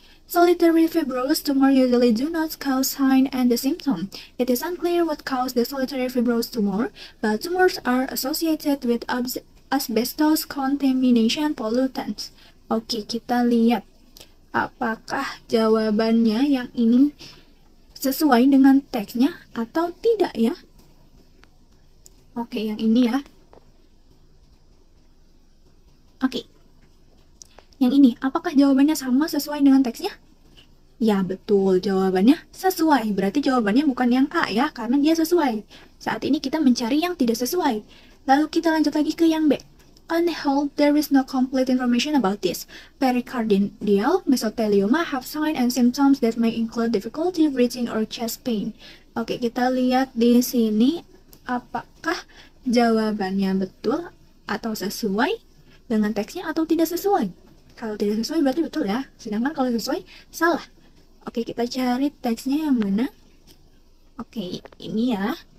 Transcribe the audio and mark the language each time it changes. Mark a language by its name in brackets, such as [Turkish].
[English] Solitary fibrosis tumor usually do not cause sign and the symptom. It is unclear what caused the solitary fibrosis tumor, but tumors are associated with asbestos contamination pollutants. [Indonesian] Oke, kita lihat apakah jawabannya yang ini sesuai dengan teksnya atau tidak ya. Oke, yang ini ya. Oke. Yang ini, apakah jawabannya sama sesuai dengan teksnya? Ya, betul. Jawabannya sesuai. Berarti jawabannya bukan yang A ya, karena dia sesuai. Saat ini kita mencari yang tidak sesuai. Lalu kita lanjut lagi ke yang B. [English] Unheld, there is no complete information about this. Pericardial mesothelioma have signs and symptoms that may include difficulty breathing or chest pain. [Indonesian] Oke, kita lihat di sini apakah jawabannya betul atau sesuai dengan teksnya atau tidak sesuai. Kalau tidak sesuai berarti betul ya, sedangkan kalau sesuai salah. Oke, kita cari teksnya yang mana. Oke, ini ya.